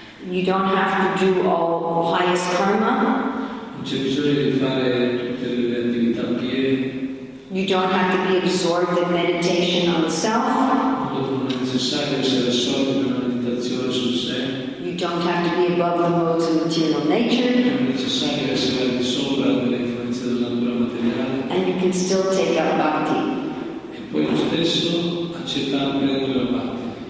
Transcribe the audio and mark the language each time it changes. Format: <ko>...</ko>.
<en>You don't have to do all pious karma.</en> <it>Non c'è bisogno di fare tutte le attività pie.</it> <en>You don't have to be absorbed in meditation on self.</en> <it>Non è necessario essere assorto nella meditazione su sé.</it> <en>You don't have to be above the modes of material nature.</en> <it>Non è necessario essere al di sopra delle influenze della natura materiale.</it> <en>And you can still take up bhakti.</en> <it>E poi lo stesso accettare prendere la bhakti.</it>